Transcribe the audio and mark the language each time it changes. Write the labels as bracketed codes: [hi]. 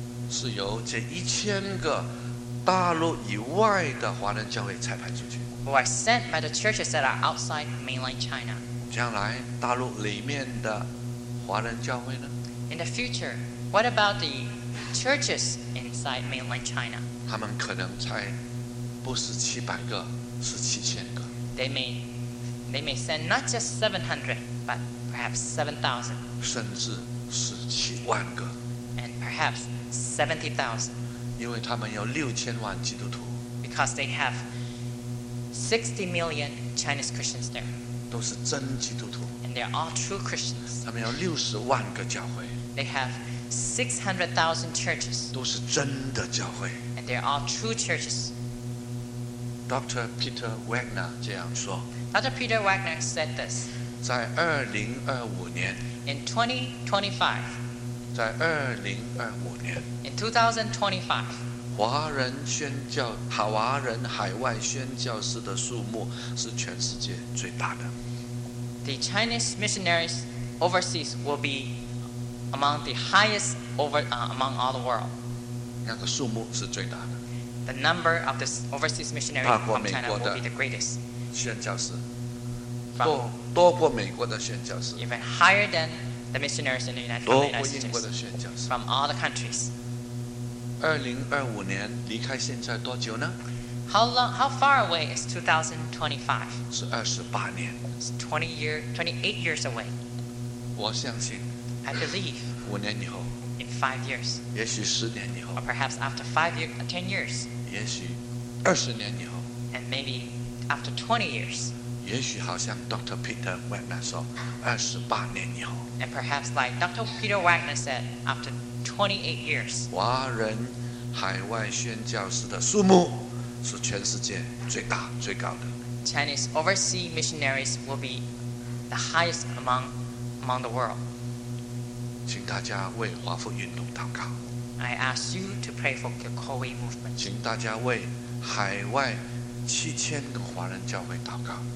[zh] 是由这一千个大陆以外的华人教会拆派出去。 [en] Who are sent by the churches that are outside mainland China? [zh] 将来大陆里面的华人教会呢 [en] ？In the future, what about the churches inside mainland China? [zh] 他们可能拆不是七百个，是七千个。 [en] They may send not just 700, but perhaps 7,000. [zh] 甚至是七万个。 [en] And perhaps. 70,000. [zh] 因为他们有6,000,000基督徒。 [en] Because they have 60 million Chinese Christians there. [zh] 都是真基督徒。 [en] And they are all true Christians. [zh] 他们有600,000个教会。 [en] They have 600,000 churches. [zh] 都是真的教会。 [en] And they are all true churches. [zh] Dr. Peter Wagner 这样说。 [en] Dr. Peter Wagner said this. [zh] 在2025年。 [en] In 2025. [zh] 在2025年 [en] In 2025, [zh] 华人宣教华人海外宣教士的数目是全世界最大的。 [en] The Chinese missionaries overseas will be among the highest over, among all the world. [zh] 那个数目是最大的。 [en] The number of the overseas missionaries from China will be the greatest. [zh] 宣教士多过美国的宣教士。 [en] Even higher than The missionaries in the United States from all the countries. [zh] 2025年离开现在多久呢 [en] How far away is 2025? [zh] 是28年 [en] It's 28 years away. [zh] 我相信 [en] I believe [zh] 五年以后 [en] In 5 years. [zh] 也许十年以后 [en] Or perhaps after 10 years. [zh] 也许20年以后 [en] And maybe after 20 years. [zh] 也许好像 Dr. Peter Wagner 说，28年以后。 [en] And perhaps like Dr. Peter Wagner said, after 28 years. [zh] 华人海外宣教士的数目是全世界最大最高的。 [en] Chinese overseas missionaries will be the highest among the world. [zh] 请大家为华福运动祷告。 [en] I ask you to pray for the Kowei movement. [zh] 请大家为海外七千个华人教会祷告。